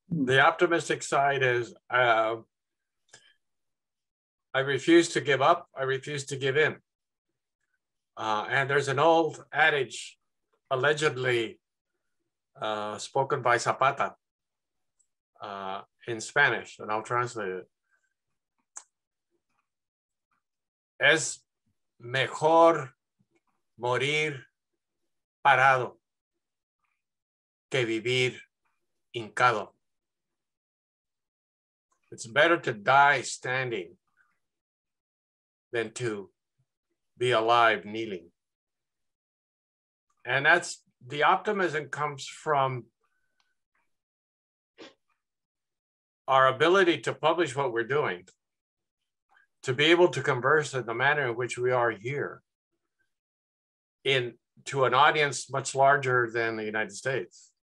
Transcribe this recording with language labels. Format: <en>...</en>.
<en>The optimistic side is I refuse to give up. I refuse to give in. And there's an old adage allegedly spoken by Zapata in Spanish, and I'll translate it.</en> <es>Es mejor morir parado que vivir hincado.</es> <en>It's better to die standing than to be alive kneeling. And that's the optimism comes from our ability to publish what we're doing, to be able to converse in the manner in which we are here in to an audience much larger than the United States.</en>